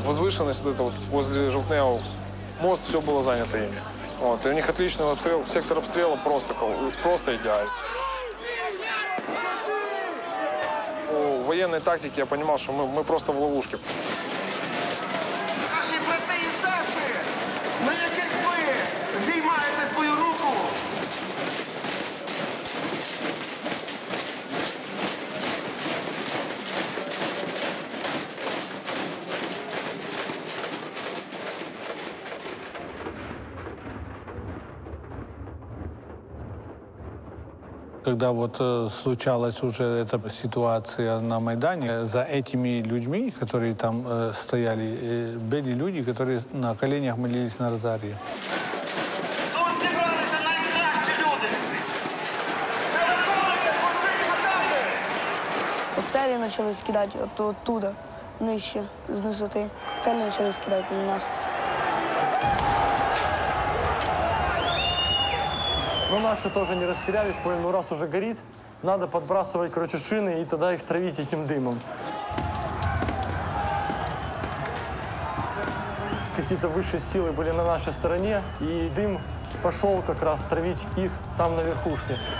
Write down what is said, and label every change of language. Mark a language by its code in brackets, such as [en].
[ru] Возвышенность это вот возле Жовтневого. Мост все было занято ими. Вот. И у них отличный обстрел. Сектор обстрела просто идеальный. По военной тактике я понимал, что мы просто в ловушке. [uk] Наши брати и сестри, на яких ви зіймаєте свою руку? [ru] Когда вот случалась уже эта ситуация на Майдане, за этими людьми, которые там стояли, были люди, которые на коленях молились на розарію. [uk] Коктейлі почали скидати оттуда, нижче, з висоти. Коктейлі почали скидати на нас. [ru] Ну, наши тоже не растерялись, поняли, ну, раз уже горит, надо подбрасывать, короче, шины и тогда их травить этим дымом. Какие-то высшие силы были на нашей стороне, и дым пошел как раз травить их там, на верхушке.